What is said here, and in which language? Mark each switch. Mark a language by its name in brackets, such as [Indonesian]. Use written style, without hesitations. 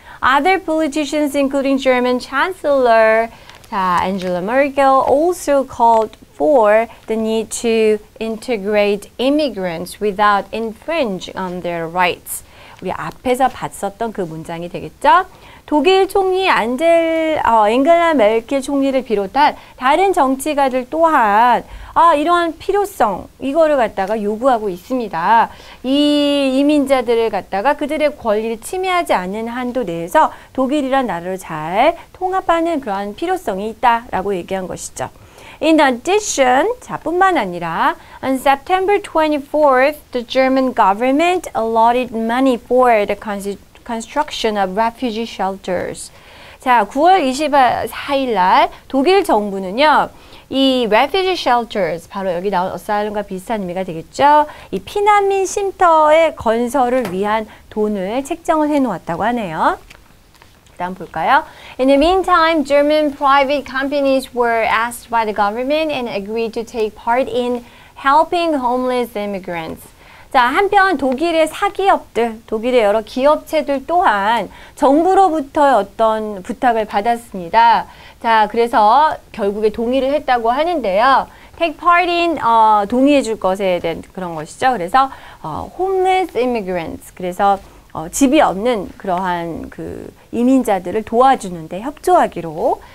[English] Other politicians, including German Chancellor Angela Merkel, also called for the need to integrate immigrants without infringe on their rights. [Korean] 우리 앞에서 봤었던 그 문장이 되겠죠? 독일 총리 앵글라 메르켈 총리를 비롯한 다른 정치가들 또한 이러한 필요성, 이거를 갖다가 요구하고 있습니다. 이 이민자들을 갖다가 그들의 권리를 침해하지 않는 한도 내에서 독일이란 나라로 잘 통합하는 그러한 필요성이 있다라고 얘기한 것이죠. [English] In addition, 뿐만 아니라, on September 24th, the German government allotted money for the construction of refugee shelters. [Korean] 자, 9월 24일 날 독일 정부는요, 이 refugee shelters, 바로 여기 나온 어사이룸과 비슷한 의미가 되겠죠? 이 피난민 쉼터의 건설을 위한 돈을 책정을 해놓았다고 하네요. 다음 볼까요? [English] In the meantime, German private companies were asked by the government and agreed to take part in helping homeless immigrants. [Korean] 자, 한편 독일의 사기업들, 독일의 여러 기업체들 또한 정부로부터의 어떤 부탁을 받았습니다. 자, 그래서 결국에 동의를 했다고 하는데요. Take part in 동의해 줄 것에 대한 그런 것이죠. 그래서 homeless immigrants, 그래서 집이 없는 그러한 그 이민자들을 도와주는데 협조하기로.